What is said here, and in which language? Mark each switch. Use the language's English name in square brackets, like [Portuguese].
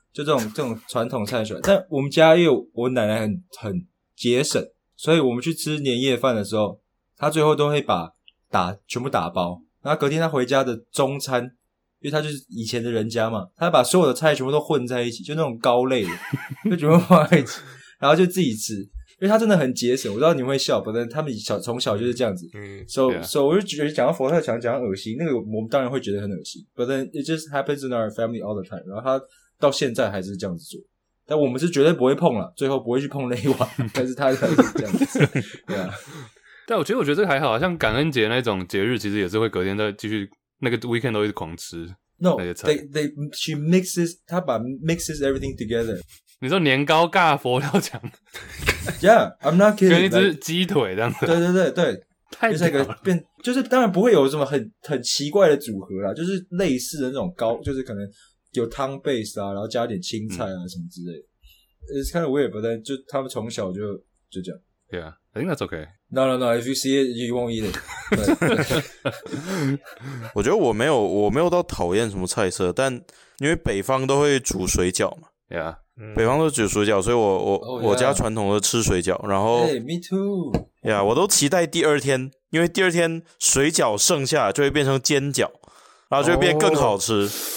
[Chinese] 就这种传统菜选，但我们家因为我奶奶很节省，所以我们去吃年夜饭的时候，她最后都会把全部打包，然后隔天她回家的中餐，因为她就是以前的人家嘛，她把所有的菜全部都混在一起，就那种糕类的，就全部放在一起，然后就自己吃，因为她真的很节省。我知道你们会笑，反正他们从小就是这样子，所以我就觉得讲到佛跳墙讲恶心，那个我们当然会觉得很恶心，反正 [English] it just happens in our family all the time， [Chinese] 然后她。到现在还是这样子做，但我们是绝对不会碰了，最后不会去碰那一碗，但是他还是这样子做。对啊，但我觉得这个还好，像感恩节那种节日，其实也是会隔天再继续那个 weekend 都一直狂吃。 [English] No, they she mixes, [Chinese] 她把 [English] mixes everything together. [Chinese] 你说年糕尬佛跳墙 [English] Yeah, I'm not kidding. [Chinese] 跟一只鸡腿这样子。对对对对。太屌了。就是一个变，就是当然不会有什么很奇怪的组合啦，就是类似的那种糕，就是可能有汤 base 啊，然后加点青菜啊什么之类的。 [English] It's kind of weird, but then, [Chinese] 就他们从小就这样。 [English] Yeah, I think that's okay. No, no, no, if you see it, you won't eat it. [Chinese] 我觉得我没有到讨厌什么菜色，但因为北方都会煮水饺嘛。 [English] Yeah. [Chinese] 北方都煮水饺，所以我家传统的吃水饺，然后 [English] hey, me too， [Chinese] 呀、yeah, ，我都期待第二天，因为第二天水饺剩下就会变成煎饺，然后就会变更好吃。